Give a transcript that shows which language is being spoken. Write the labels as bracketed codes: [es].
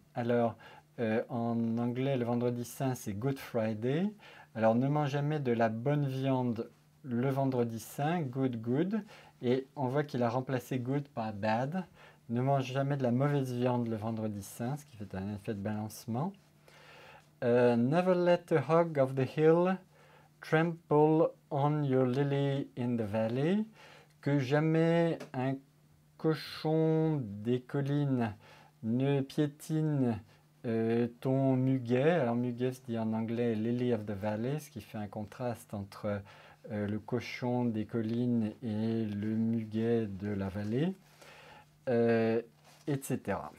[fr] Alors, en anglais, le vendredi saint, c'est Good Friday. Alors, ne mange jamais de la bonne viande le vendredi saint, good, good. Et on voit qu'il a remplacé good par bad. Ne mange jamais de la mauvaise viande le vendredi saint, ce qui fait un effet de balancement. [en] Never let a hog of the hill trample on your lily in the valley. [fr] Que jamais un cochon des collines ne piétine ton muguet. Alors, muguet se dit en anglais lily of the valley, ce qui fait un contraste entre le cochon des collines et le muguet de la vallée. Etc.